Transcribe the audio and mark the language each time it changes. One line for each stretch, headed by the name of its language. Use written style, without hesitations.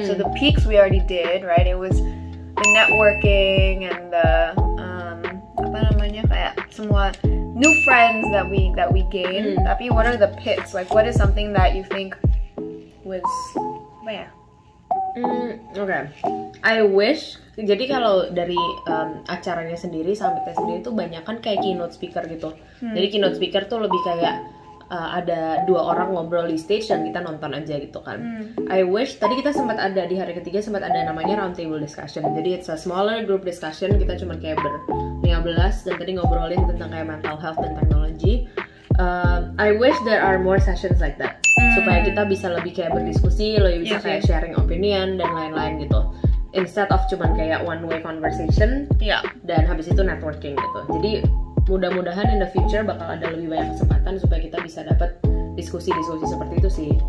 English: Mm. So the peaks we already did, right? It was the networking and the
Indonesian: apa namanya kayak semua
English: new friends that we gained. Mm. Tapi what are the pits? Like what is something that you think was apa ya? Okay. I wish.
Indonesian: Jadi kalau dari acaranya sendiri sampai tes sendiri itu banyak kan kayak keynote speaker gitu. Hmm. Jadi keynote speaker tuh lebih kayak ada dua orang ngobrol di stage dan kita nonton aja gitu kan. Hmm. I wish tadi kita sempat ada di hari ketiga sempat ada namanya round table discussion. Jadi
English: it's a smaller group discussion,
Indonesian: kita cuma kayak 15 dan tadi ngobrolin tentang kayak mental health dan teknologi.
English: I wish there are more sessions like that. Hmm.
Indonesian: Supaya kita bisa lebih kayak berdiskusi, lebih bisa kayak sharing opinion dan lain-lain gitu.
English: Instead of cuman kayak one way conversation, yeah.
Indonesian: Dan habis itu networking gitu. Jadi mudah-mudahan
English: in the future
Indonesian: bakal ada lebih banyak kesempatan supaya kita bisa dapat diskusi-diskusi seperti itu sih.